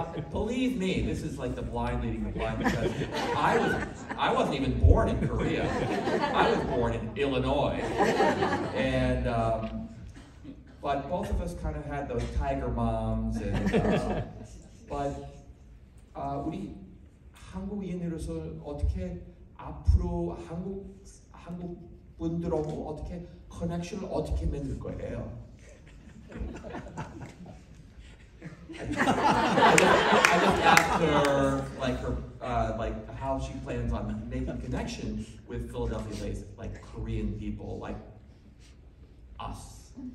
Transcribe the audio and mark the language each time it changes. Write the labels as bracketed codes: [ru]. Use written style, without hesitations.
[en] Believe me, this is like the blind leading the blind, because I wasn't even born in Korea. I was born in Illinois. And but both of us kind of had those tiger moms. And but [ko] 우리 한국인으로서 어떻게 앞으로 한국 분들하고 어떻게 커넥션을 어떻게 만들 거예요? [en] I just asked her how she plans on making connections with Philadelphia-based Korean people like us.